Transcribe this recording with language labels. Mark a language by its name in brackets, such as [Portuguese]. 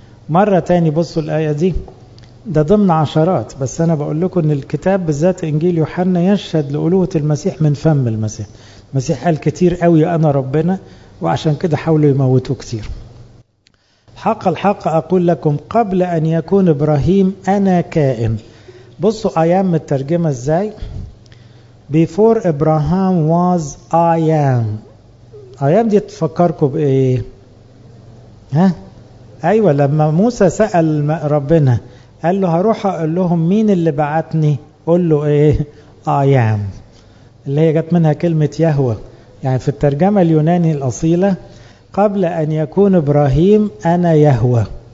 [Arabic] مرة تاني بصوا الآية دي، ده ضمن عشرات، بس أنا بقول لكم إن الكتاب بالذات إنجيل يوحنا يشهد لألوهة المسيح من فم المسيح. المسيح قال كتير قوي أنا ربنا، وعشان كده حاولوا يموتوا كتير. حق الحق أقول لكم، قبل أن يكون إبراهيم أنا كائن. بصوا أيام الترجمة إزاي، [English] Before Abraham was I am. [Arabic] أيام دي تفكركم بإيه؟ ها؟ أيوة، لما موسى سأل ربنا قال له هروح أقول لهم مين اللي بعتني، قل له إيه؟ [English] I am، [Arabic] اللي هي جت منها كلمة يهوى. يعني في الترجمة اليوناني الأصيلة، قبل أن يكون إبراهيم أنا يهوى.